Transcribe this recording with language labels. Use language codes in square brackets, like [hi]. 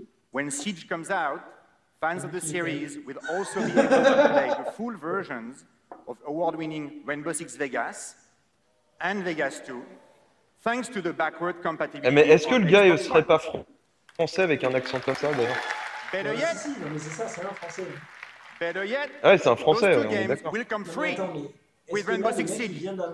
[en] When Siege comes out, fans of the series will also be able to play the full versions of award-winning Rainbow Six Vegas and Vegas 2, thanks to the backward compatibility. [fr] Mais est-ce que le gars ne serait pas français avec un accent comme ça d'ailleurs? [en] Better yet, [fr] c'est un français. Ouais, c'est un français. [en] Those two games will come free with Rainbow Six Siege.